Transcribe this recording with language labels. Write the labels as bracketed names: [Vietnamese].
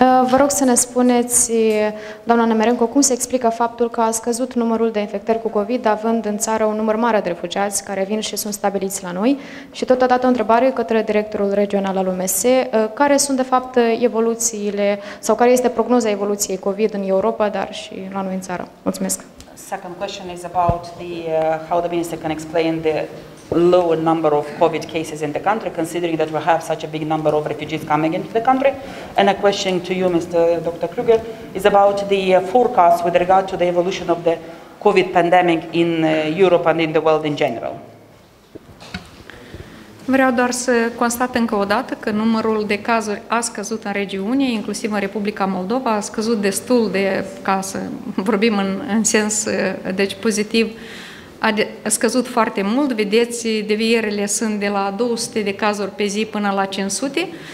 [Romanian] Vă rog să ne spuneți, doamna Nemerenco, cum se explică faptul că a scăzut numărul de infectări cu COVID, având în țară un număr mare de refugiați care vin și sunt stabiliți la noi? Și totodată o întrebare către directorul regional al UMS, care sunt de fapt evoluțiile, sau care este prognoza evoluției COVID în Europa, dar și la noi în țară? Mulțumesc. [English] Second question is about how the minister can explain the lower number of COVID cases in the country, considering that we have such a big number of refugees coming into the country. And a question to you, Mr. Dr. Kruger, is about the forecast with regard to the evolution of the COVID pandemic in Europe and in the world in general. [Romanian] Vreau doar să constat încă o dată că numărul de cazuri a scăzut în regiune, inclusiv în Republica Moldova, a scăzut destul de, ca să vorbim în sens deci pozitiv, a scăzut foarte mult. Vedeți, devierile sunt de la 200 de cazuri pe zi până la 500.